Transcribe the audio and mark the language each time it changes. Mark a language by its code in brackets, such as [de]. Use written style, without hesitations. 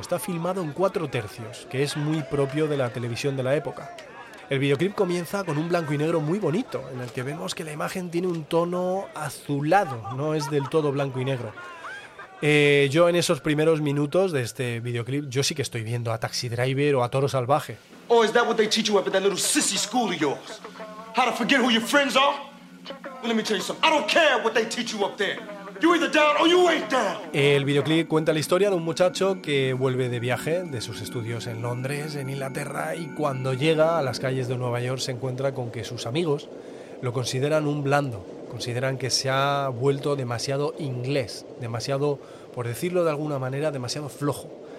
[es] Está filmado en 4 tercios, que es muy propio de la televisión de la época. El videoclip comienza con un blanco y negro muy bonito, en el que vemos que la imagen tiene un tono azulado, no es del todo blanco y negro. Yo en esos primeros minutos de este videoclip, yo sí que estoy viendo a Taxi Driver o a Toro Salvaje. [en] Oh, is that what they teach you up at that little sissy school of yours? How to forget who your friends are? Well, let me tell you something. I don't care what they teach you up there. You either down or you ain't down. [es] El videoclip cuenta la historia de un muchacho que vuelve de viaje de sus estudios en Londres, en Inglaterra, y cuando llega a las calles de Nueva York se encuentra con que sus amigos lo consideran un blando. Consideran que se ha vuelto demasiado inglés, demasiado, por decirlo de alguna manera, demasiado flojo.